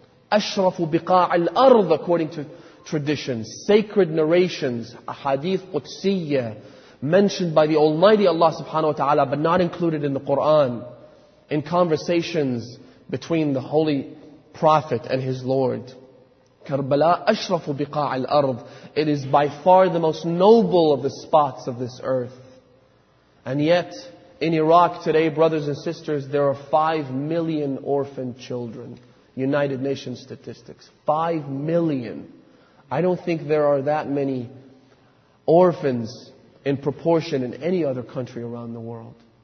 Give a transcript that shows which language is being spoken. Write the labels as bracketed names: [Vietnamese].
[Arabic] أَشْرَفُ بِقَاعِ الْأَرْضِ, [English] according to traditions, sacred narrations, ahadith qudsiyyah, mentioned by the Almighty Allah subhanahu wa ta'ala, but not included in the Qur'an, in conversations between the Holy Prophet and his Lord. [Arabic] Karbala أَشْرَفُ بِقَاعِ الْأَرْضِ. [English] It is by far the most noble of the spots of this earth. And yet, in Iraq today, brothers and sisters, there are 5 million orphan children. United Nations statistics. 5 million. I don't think there are that many orphans in proportion in any other country around the world.